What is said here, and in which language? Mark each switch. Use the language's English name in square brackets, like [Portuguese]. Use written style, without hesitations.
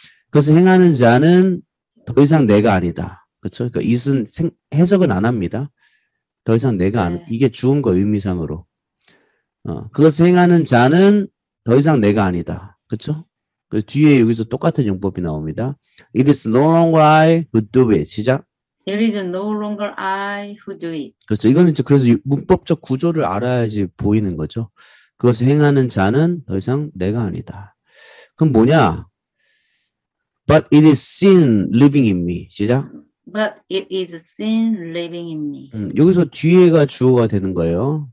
[Korean] 그것을 행하는 자는 더 이상 내가 아니다. 그렇죠? 그러니까 it은 해석은 안 합니다. 더 이상 내가 네. 안, 이게 주운 거 의미상으로. 그것을 행하는 자는 더 이상 내가 아니다. 그렇죠? 그 뒤에 여기서 똑같은 용법이 나옵니다. [English] It is no longer I who do it. [Korean] 시작. [English] It is no longer I who do it. [Korean] 그렇죠. 이거는 이제 그래서 문법적 구조를 알아야지 보이는 거죠. 그것을 행하는 자는 더 이상 내가 아니다. 그럼 뭐냐? [English] But it is sin living in me. [Korean] 시작. [English] But it is sin living in me. [Korean] 여기서 뒤에가 주어가 되는 거예요.